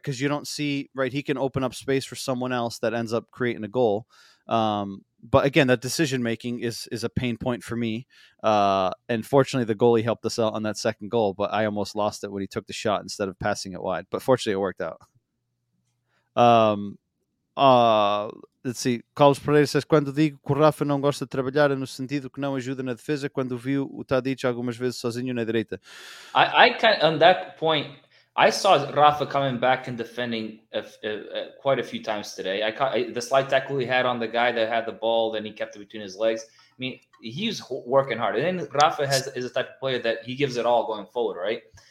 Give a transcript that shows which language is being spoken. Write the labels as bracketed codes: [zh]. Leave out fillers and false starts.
[en] Because you don't see, right, he can open up space for someone else that ends up creating a goal. But again, that decision making is a pain point for me. And fortunately, the goalie helped us out on that second goal. But I almost lost it when he took the shot instead of passing it wide. But fortunately, it worked out. Let's see. [pt] Carlos Pereira says, quando digo que o Rafa não gosta de trabalhar, é no sentido que não ajuda na defesa, quando viu o Tadic algumas vezes sozinho na direita. [en] I can, on that point, I saw Rafa coming back and defending quite a few times today. The slight tackle he had on the guy that had the ball, then he kept it between his legs. I mean, he's working hard. And then Rafa is the type of player that he gives it all going forward, right?